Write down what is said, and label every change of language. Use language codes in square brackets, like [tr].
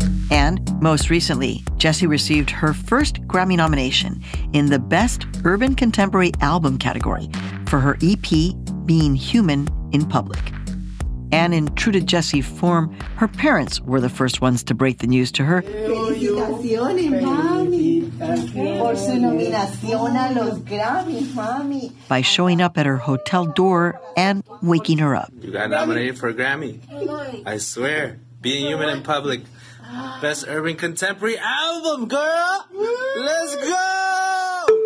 [en] And most recently, Jessie received her first Grammy nomination in the Best Urban Contemporary Album category for her EP, Being Human in Public. And in true to Jessie form, her parents were the first ones to break the news to her. [es] Felicitaciones, mami. Por su nominación a los Grammys, mami. [en] By showing up at her hotel door and waking her up. You got nominated for a Grammy. I swear, Being Human in Public. Best Urban Contemporary Album, girl! Let's go!